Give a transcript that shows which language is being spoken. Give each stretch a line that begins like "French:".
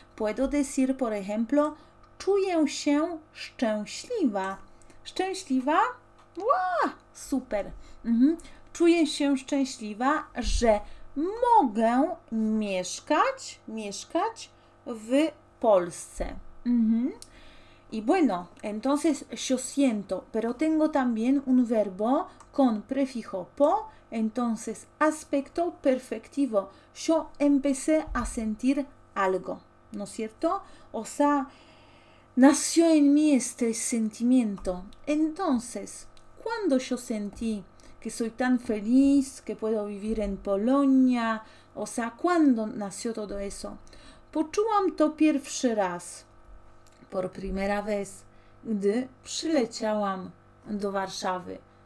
Spanish: Puedo decir, por ejemplo,
Polish: czuję się szczęśliwa. ¿Szczęśliwa?
Spanish: ¡Wow! ¡Súper!
Polish: Czuję się szczęśliwa, że mogę mieszkać w Polsce.
Spanish: Y bueno, entonces yo siento, pero tengo también un verbo con prefijo po, entonces aspecto perfectivo. Yo empecé a sentir algo, ¿no es cierto? O sea, nació en mí este sentimiento. Entonces, cuando yo sentí que soy tan feliz, que puedo vivir en Polonia, o sea, ¿cuándo nació todo eso?
Polish: Poczułam to pierwszy raz,
Spanish: por primera vez,
Polish: gdy przyleciałam do Warszawy.